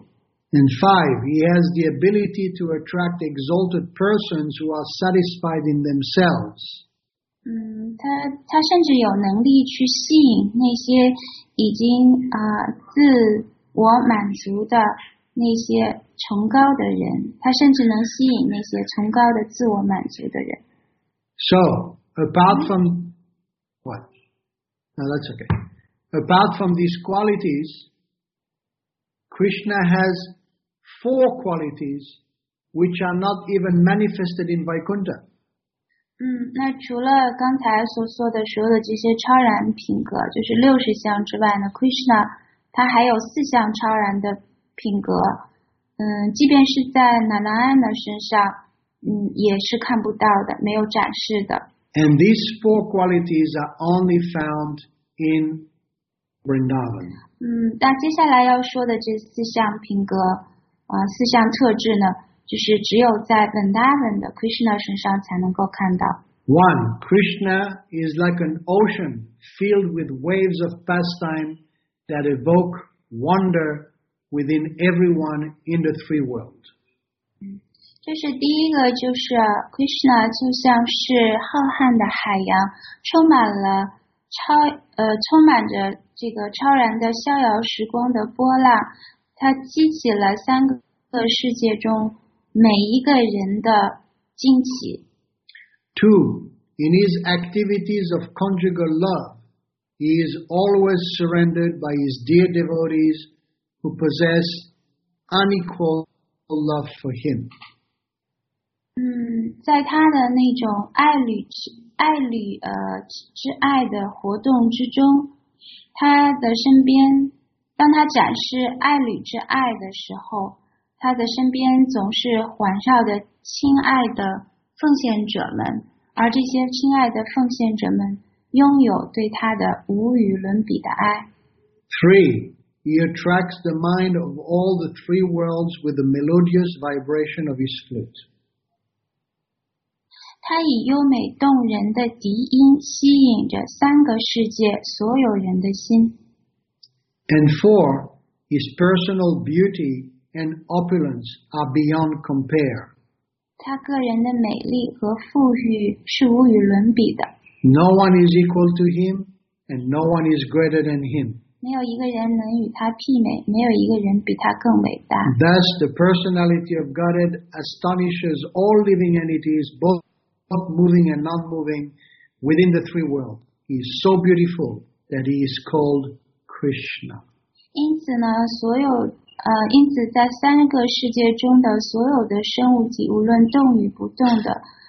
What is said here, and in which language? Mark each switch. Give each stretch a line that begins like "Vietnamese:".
English: And five, he has the ability to attract exalted persons who are satisfied in themselves.
Chinese: 他甚至有能力去吸引那些已经自我满足的那些崇高的人。他甚至能吸引那些崇高的自我满足的人。
English: So, apart from what? No, that's okay. Apart from these qualities, Krishna has four qualities which are not even manifested in Vaikuntha.
Chinese: 那除了刚才所说的所有的这些超然品格，就是六十项之外呢 ，Krishna 他还有四项超然的品格。即便是在 Narayan 的身上，也是看不到的，没有展示的。
English: And these four qualities are only found in Vrindavan.
Chinese: 那接下来要说的这四项品格。四项特质呢，就是只有在 Vrindavan 的 Krishna 身上才能够看到。
English: One, Krishna is like an ocean filled with waves of pastime that evoke wonder within everyone in the three worlds.
Chinese: 这是第一个，就是 Krishna 就像是浩瀚的海洋，充满着这个超然的逍遥时光的波浪。它激起了三个世界中每一个人的惊奇。
English: Two, in his activities of conjugal love, he is always surrendered by his dear devotees who possess unequal love for him.
Chinese: 在他的那种之爱的活动之中，他的身边。当他展示爱侣之爱的时候，他的身边总是环绕的亲爱的奉献者们，而这些亲爱的奉献者们拥有对他的无与伦比的爱。
English: Three, he attracts the mind of all the three worlds with the melodious vibration of his flute.
Chinese: 他以优美动人的笛音吸引着三个世界所有人的心。
English: And four, his personal beauty and opulence are beyond compare.
Chinese: 他个人的美丽和富裕是无与伦比的。
English: No one is equal to him, and no one is greater than him.
Chinese: 没有一个人能与他媲美，没有一个人比他更伟大。
English: Thus, the personality of Godhead astonishes all living entities, both moving and non-moving, within the three worlds. He is so beautiful that he is called Krishna.
Chinese: 因此呢，所有因此在三个世界中的所有的生物体，无论动与不动的。